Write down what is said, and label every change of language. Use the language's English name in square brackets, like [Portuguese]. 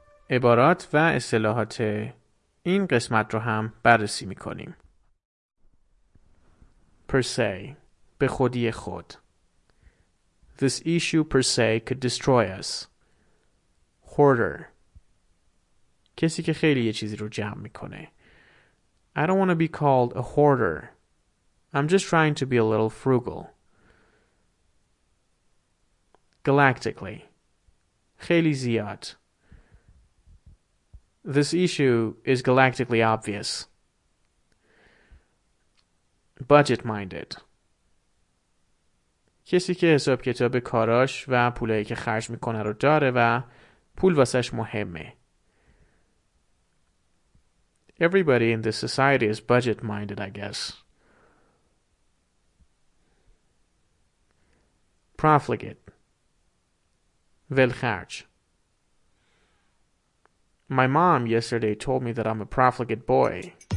[Persian] عبارات و اصطلاحات این قسمت رو هم بررسی می‌کنیم. [English] Per se, [Persian] به خودی خود. [English] This issue per se could destroy us. Hoarder. [Persian] کسی که خیلی یه چیزی رو جمع می‌کنه. [English] I don't want to be called a hoarder. I'm just trying to be a little frugal. Galactically. [Persian] خیلی زیاد. [English] This issue is galactically obvious. Budget-minded. [Persian] کسی که حساب کتاب کاراش و پولایی که خرج میکنه رو داره و پول واسش مهمه. [English] Everybody in this society is budget-minded, I guess. Profligate. [Persian] Velkharch. [English] My mom yesterday told me that I'm a profligate boy.